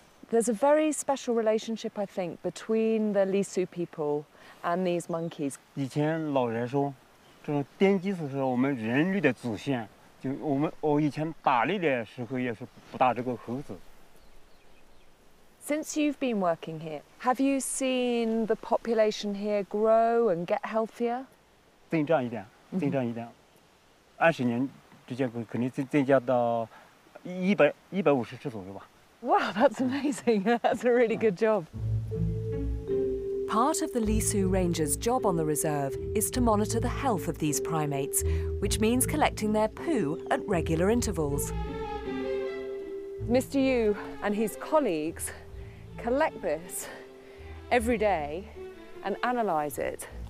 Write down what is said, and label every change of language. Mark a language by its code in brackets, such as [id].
[en] There's a very special relationship, I think, between the Lisu people and these monkeys. [zh] 以前老人说，这个奠基的时候，我们人类的祖先，就我以前打猎的时候也是捕打这个猴子。 [en] Since you've been working here, have you seen the population here grow and get healthier? [zh] 增长一点，增长一点，二十年之间肯定增加到一百五十只左右吧。 [en] Wow, that's amazing. That's a really good job. Part of the Lisu Ranger's job on the reserve is to monitor the health of these primates, which means collecting their poo at regular intervals. Mr. Yu and his colleagues collect this every day and analyze it.